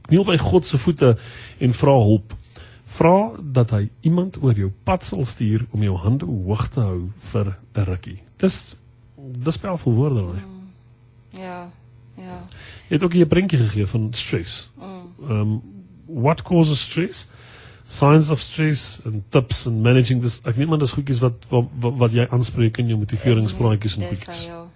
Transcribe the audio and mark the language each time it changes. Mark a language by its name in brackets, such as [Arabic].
[Afrikaans] Kniel by God se voete en vra hulp. Vra dat hy iemand oor jou pad sal stuur om jou hande hoog te hou vir 'n rukkie. Dis powerful woorde, hoor. Ja. Ja. Jy het ook hier 'n prentjie gegee van stress. [English] What causes stress? Signs of stress and tips and managing this. [Afrikaans] Ek neem aan dis goedjies wat jy aanspreek in jou motiveringspraatjies en goedjies.